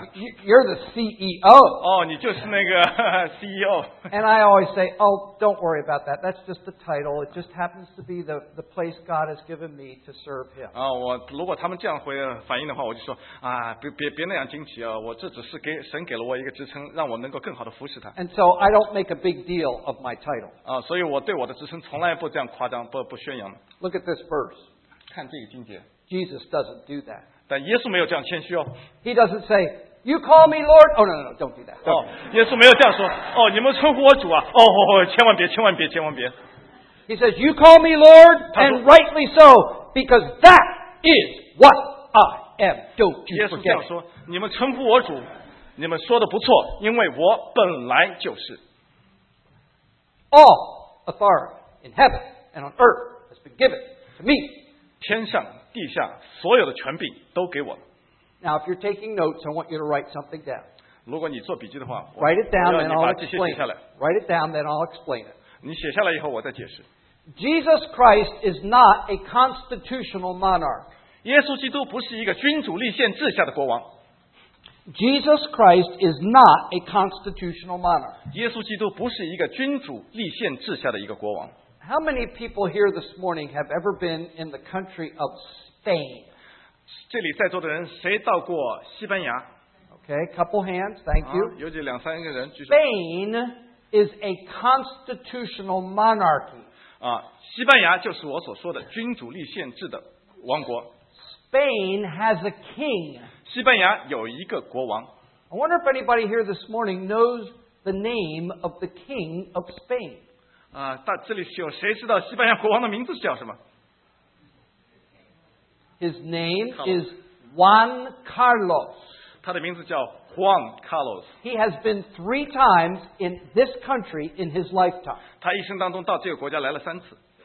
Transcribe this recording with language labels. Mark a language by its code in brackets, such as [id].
[en] You're the CEO. [zh] 你就是那个CEO. [en] And I always say, Oh, don't worry about that. That's just the title. It just happens to be the place God has given me to serve Him. [zh] 我如果他们这样回反应的话，我就说啊，别那样惊奇啊，我这只是给神给了我一个职称，让我能够更好的服侍他。 [en] And so I don't make a big deal of my title. [zh] 所以我对我的职称从来不这样夸张，不宣扬。 [en] Look at this verse. [zh] 看这个经节。 [en] Jesus doesn't do that. [zh] 但耶稣没有这样谦虚哦。 [en] He doesn't say, "You call me Lord." Oh no, no, no, don't do that. [zh] 耶稣没有这样说。哦，你们称呼我主啊？哦，千万别，千万别，千万别。 [en] He says, "You call me Lord," and rightly so, because that is what I am. Don't you forget. [zh] 耶稣这样说：你们称呼我主，你们说的不错，因为我本来就是。 [en] All authority in heaven and on earth has been given to me. [zh] 天上地下所有的权柄都给我了。 [en] Now, if you're taking notes, I want you to write something down. [zh] 如果你做笔记的话， [en] write it down, [zh] 我要你把这些写下来。 [en] Write it down, then I'll explain it. [zh] 你写下来以后，我再解释。 [en] Jesus Christ is not a constitutional monarch. [zh] 耶稣基督不是一个君主立宪制下的国王。 [en] Jesus Christ is not a constitutional monarch. [zh] 耶稣基督不是一个君主立宪制下的一个国王。 [en] How many people here this morning have ever been in the country of Spain? [zh] 这里在座的人谁到过西班牙 [en] ？OK. Okay, couple hands. Thank you. [zh] 有几两三个人举手。 [en] Spain is a constitutional monarchy. [zh] 西班牙就是我所说的君主立宪制的王国。 [en] Spain has a king. [zh] 西班牙有一个国王。 [en] I wonder if anybody here this morning knows the name of the king of Spain. [zh] 这里有谁知道西班牙国王的名字叫什么？ [en] His name is Juan Carlos. [zh] 他的名字叫 Juan Carlos. [en] He has been three times in this country in his lifetime. [zh] 他一生当中到这个国家来了三次。